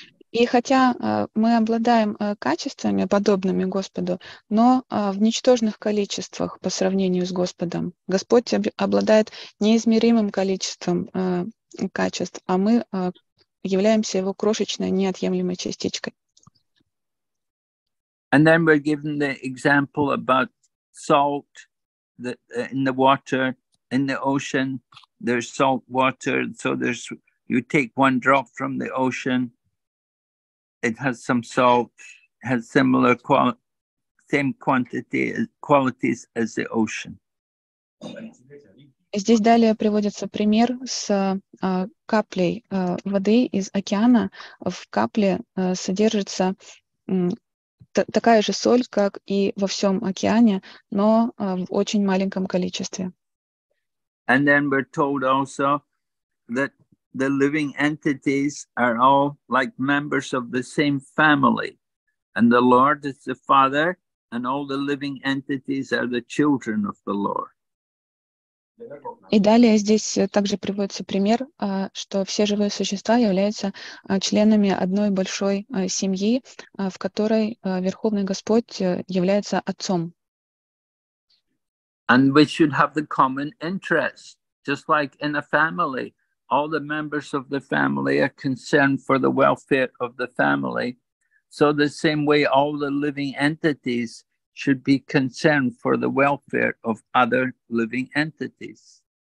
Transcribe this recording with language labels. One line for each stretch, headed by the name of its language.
Russian: И хотя мы обладаем качествами, подобными Господу, но в ничтожных количествах по сравнению с Господом. Господь обладает неизмеримым количеством качеств, а мы являемся Его крошечной, неотъемлемой частичкой.
English: And then we're given the example about salt in the water, in the ocean, there's salt water, so there's You take one drop from the ocean, it has some salt, has similar same qualities as the ocean.
Russian: Здесь далее приводится пример с каплей воды из океана. В капле содержится такая же соль, как и во всем океане, но в очень маленьком количестве.
English: And then we're told also that the living entities are all like members of the same family. And the Lord is the Father, and all the living entities are the children of the Lord.
Russian: И далее здесь также приводится пример, что все живые существа являются членами одной большой семьи, в которой Верховный Господь является отцом.
English: And we should have the common interest, just like in a family. All the members of the family are concerned for the welfare of the family. So the same way all the living entities should be concerned for the welfare of other living entities.